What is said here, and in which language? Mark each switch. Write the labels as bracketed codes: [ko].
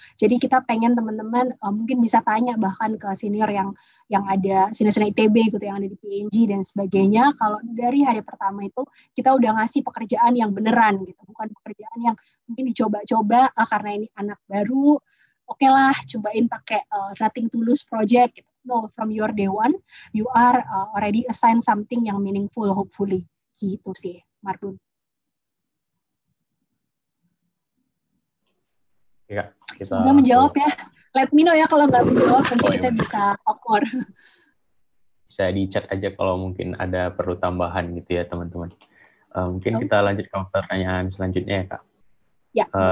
[id] Jadi kita pengen teman-teman mungkin bisa tanya bahkan ke senior yang ada, senior-senior ITB gitu yang ada di PNG dan sebagainya, kalau dari hari pertama itu kita udah ngasih pekerjaan yang beneran gitu, bukan pekerjaan yang mungkin dicoba-coba karena ini anak baru, okelah cobain pakai Nothing to Lose project gitu. [en] No, from your day one you are already assigned something [id] yang [en] meaningful hopefully [id] gitu sih, [en] Mardun. [id] Ya, kita semoga menjawab ya. [en] Let me know [id] ya kalau nggak menjawab, nanti kita bisa awkward. Bisa di chat aja kalau mungkin ada perlu tambahan gitu ya teman-teman. Mungkin kita lanjut ke pertanyaan selanjutnya ya kak. Ya.